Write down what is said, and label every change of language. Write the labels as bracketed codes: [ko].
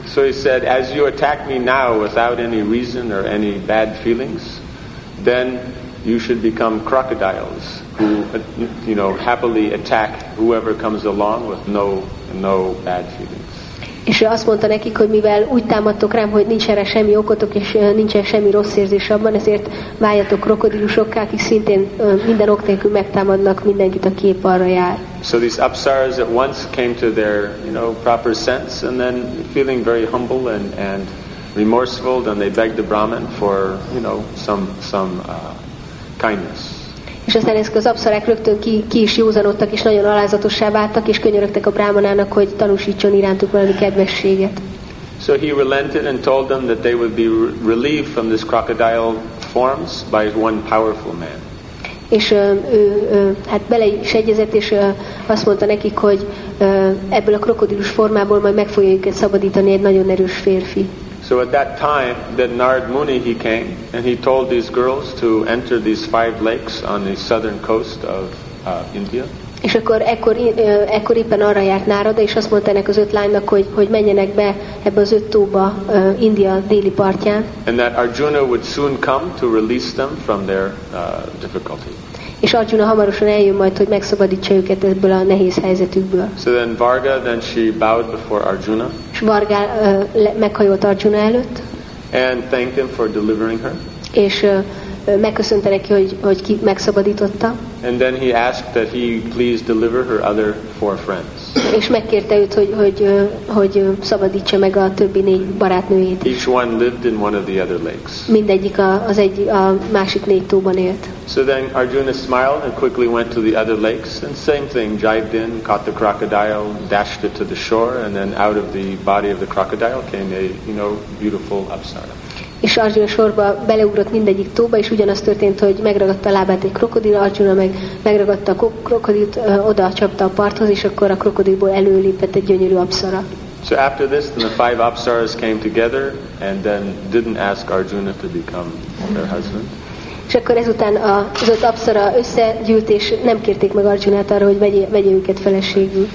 [en] So he said, "As you attack me now without any reason or any bad feelings, then you should become crocodiles who, you know, happily attack whoever comes along with no bad feelings." [hu] És azt mondta nekik, hogy mivel úgy támadtok rám, hogy nincs erre semmi okotok, és nincsen semmi rossz érzés abban, ezért váljatok krokodilusokká, akik szintén minden ok nélkül megtámadnak mindenkit, aki épp arra jár. [en] So these apsaras at once came to their, you know, proper sense, and then feeling very humble and remorseful, then they begged the Brahman for, you know, some kindness. [hu] És aztán ezek az apszarák rögtön ki is józanodtak, és nagyon alázatossá váltak, és könyörögtek a brámanának, hogy tanúsítson irántuk valami kedvességet. [en] So he relented and told them that they would be relieved from this crocodile forms by one powerful man. [hu] És ő bele is egyezett, és azt mondta nekik, hogy ebből a krokodilus formából majd meg fogja őket szabadítani egy nagyon erős férfi. [en] So at that time, then Narad Muni, he came, and he told these girls to enter these five lakes on the southern coast of India. [hu] És akkor ekkor éppen arra járt Narada, és azt mondta ennek az öt lánynak, hogy menjenek be ebbe az öt tóba India déli partján. [en] And that Arjuna would soon come to release them from their difficulty. [hu] És Arjuna hamarosan eljön majd, hogy megszabadítsa őket ebből a nehéz helyzetükből. [en] So then Varga, then she bowed before Arjuna. [hu] És Varga meghajolt Arjuna előtt. [en] And thanked him for delivering her. [hu] És megköszönte neki, hogy ki megszabadította. [en] And then he asked that he please deliver her other four friends. [hu] És megkérte őt, hogy szabadítsa meg a többi négy barátnőjét. [en] Each one lived in one of the other lakes. [hu] Mindegyik a másik négy tóban élt. [en] So then Arjuna smiled and quickly went to the other lakes and same thing, jived in, caught the crocodile, dashed it to the shore, and then out of the body of the crocodile came a, you know, beautiful apsara. [hu] És Arjuna sorba beleugrott mindegyik tóba, és ugyanaz történt, hogy megragadta a lábát egy krokodil, Arjuna meg megragadta a krokodilt, oda csapta a parthoz, és akkor a krokodilból előlépett egy gyönyörű apszara. [en] So after this, then the five apsaras came together, and then didn't ask Arjuna to become their husband. [hu] És akkor ezután az öt apszara összegyűlt, és nem kérték meg Arjunát arra, hogy vegye őket feleségül.